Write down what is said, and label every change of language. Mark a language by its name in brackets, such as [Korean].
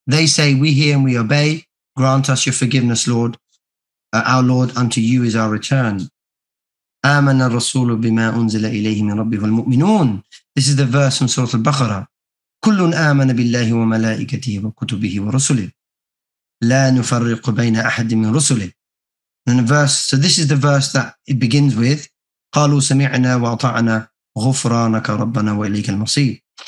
[English] They say, we hear and we obey. Grant us your forgiveness, Lord. Our Lord, unto you is our return. [Arabic] آمن الرسول بما أنزل إليه من ربه والمؤمنون. [English] This is the verse from Surah Al-Baqarah. [Arabic] كل آمن بالله وملائكته وكتبه ورسله لا نفرق بين أحد من رسله. [English] So this is the verse that it begins with. [Arabic] قالوا سمعنا وأطعنا غفرانك ربنا وإليك المصير.